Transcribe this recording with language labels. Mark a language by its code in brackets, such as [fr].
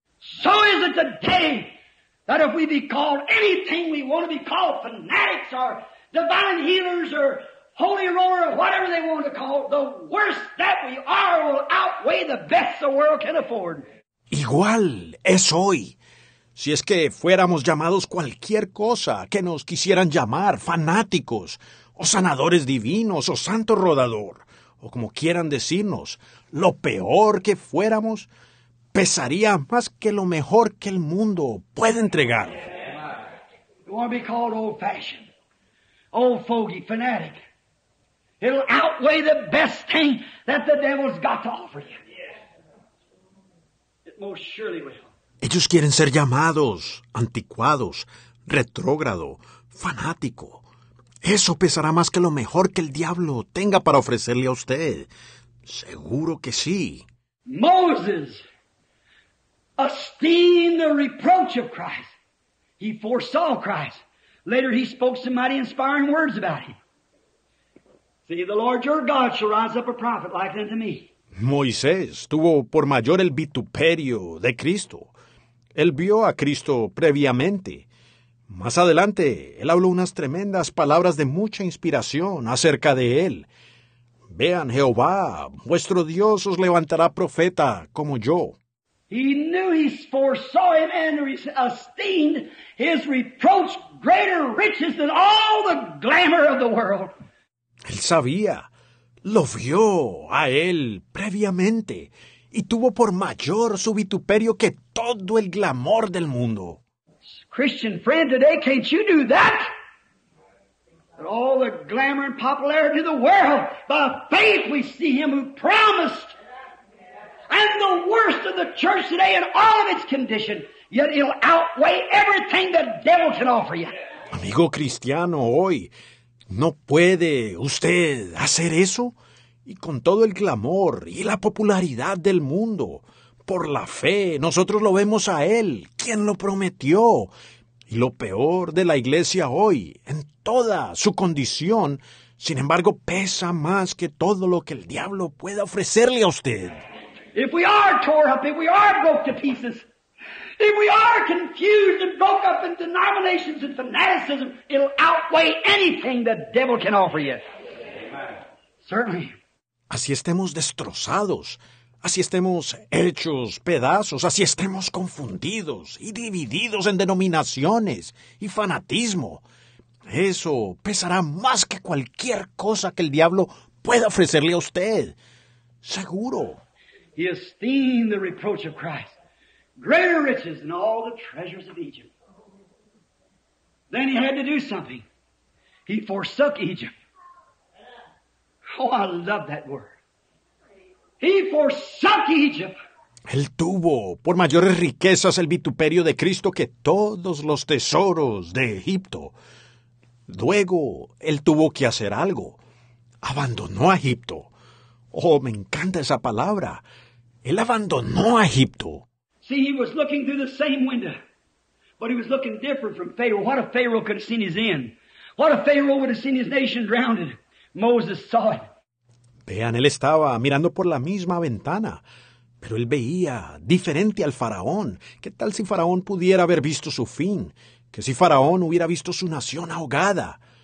[en] So is it today that if we be called anything we want to be called, fanatics or divine healers or holy roller, whatever they want to call, the worst that we are will outweigh the best the world can afford. [es] Igual es hoy. Si es que fuéramos llamados cualquier cosa que nos quisieran llamar, fanáticos, o sanadores divinos, o santo rodador, o como quieran decirnos, lo peor que fuéramos pesaría más que lo mejor que el mundo puede entregar. [en] You want to be called old-fashioned, old fogey, fanatic. It'll outweigh the best thing that the devil's got to offer you. It most surely will. [es] Ellos quieren ser llamados anticuados, retrógrado, fanático. Eso pesará más que lo mejor que el diablo tenga para ofrecerle a usted. Seguro que sí. [en] Moses esteemed the reproach of Christ. He foresaw Christ. Later he spoke some mighty inspiring words about him. See, the Lord your God shall rise up a prophet like unto me. [es] Moisés tuvo por mayor el vituperio de Cristo. Él vio a Cristo previamente. Más adelante, él habló unas tremendas palabras de mucha inspiración acerca de él. Vean, Jehová, vuestro Dios os levantará profeta como yo. [en] He knew he foresaw him and esteemed his reproach greater riches than all the glamour of the world. [es] Él sabía, lo vio a él previamente y tuvo por mayor su vituperio que todo el glamour del mundo. [en] Christian friend, today can't you do that? That all the glamour and popularity of the world, by faith we see him who promised. And the worst of the church today in all of its condition, yet it'll outweigh everything the devil can offer you. [es] Amigo cristiano, hoy, ¿no puede usted hacer eso? Y con todo el glamour y la popularidad del mundo, por la fe, nosotros lo vemos a él, quien lo prometió. Y lo peor de la iglesia hoy, en toda su condición, sin embargo, pesa más que todo lo que el diablo pueda ofrecerle a usted. [en] If we are tore up, if we are broke to pieces, if we are confused and broke up in denominations and fanaticism, it'll outweigh anything the devil can offer you. Certainly. [es] Así estemos destrozados. Así estemos hechos pedazos, así estemos confundidos y divididos en denominaciones y fanatismo. Eso pesará más que cualquier cosa que el diablo pueda ofrecerle a usted. Seguro. [en] He esteemed the reproach of Christ greater riches than all the treasures of Egypt. Then he had to do something. He forsook Egypt. Oh, I love that word. He forsook Egypt. [es] Él tuvo por mayores riquezas el vituperio de Cristo que todos los tesoros de Egipto. Luego, él tuvo que hacer algo. Abandonó a Egipto. Oh, me encanta esa palabra. Él abandonó a Egipto. [en] See, he was looking through the same window, but he was looking different from Pharaoh. What a Pharaoh could have seen his end. What a Pharaoh would have seen his nation drowned. Moses saw it. [es] Vean, él estaba mirando por la misma ventana, pero él veía diferente al faraón. ¿Qué tal si faraón pudiera haber visto su fin? ¿Qué si faraón hubiera visto su nación ahogada?